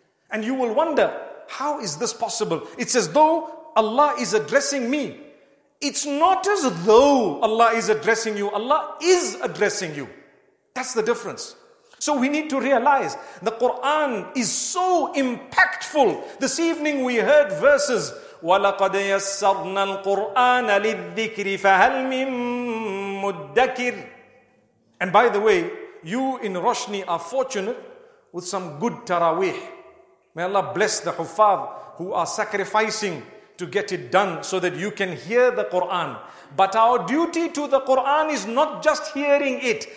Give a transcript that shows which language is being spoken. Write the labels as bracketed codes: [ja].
[en] And you will wonder, how is this possible? It's as though Allah is addressing me. It's not as though Allah is addressing you. Allah is addressing you. That's the difference. So we need to realize the Quran is so impactful. This evening we heard verses, [ar] وَلَقَدْ يَسَّرْنَا الْقُرْآنَ لِلذِّكْرِ فَهَلْ مِن مُدَّكِرٍ. [en] And by the way, you in Roshni are fortunate with some good taraweeh. May Allah bless the huffaz who are sacrificing to get it done so that you can hear the Quran. But our duty to the Quran is not just hearing it.